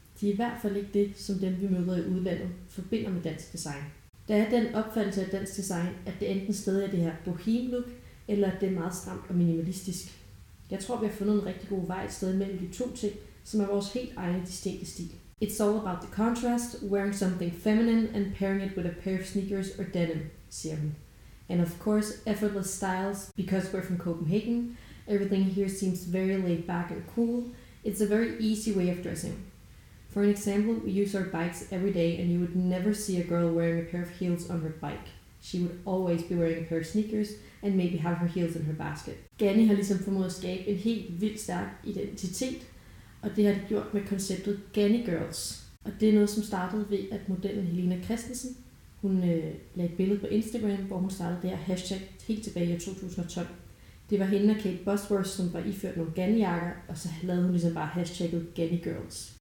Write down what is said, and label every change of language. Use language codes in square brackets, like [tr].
[da] De er i hvert fald ikke det, som dem, vi møder i udlandet, forbinder med dansk design. Der er den opfattelse af dansk design, at det enten stadig er det her bohem-look, eller at det er meget stramt og minimalistisk. Jeg tror, vi har fundet en rigtig god vej et sted mellem de to ting, som er vores helt egne distinkte stil. [en] It's all about the contrast, wearing something feminine and pairing it with a pair of sneakers or denim, [da] siger hun. [en] And of course, effortless styles, because we're from Copenhagen, everything here seems very laid back and cool, it's a very easy way of dressing. For an example, we use our bikes every day and you would never see a girl wearing a pair of heels on her bike. She would always be wearing a pair of sneakers and maybe have her heels in her basket. [da] Ganni har ligesom formået at skabe en helt vildt stærk identitet, og det har de gjort med konceptet Ganni Girls. Og det er noget, som startede ved, at modellen Helena Christensen, hun lagde et billede på Instagram, hvor hun startede det her hashtag helt tilbage i 2012. Det var hende og Kate Bosworth, som var iført nogle Ganni-jakker, og så lavede hun ligesom bare hashtagget Ganni Girls.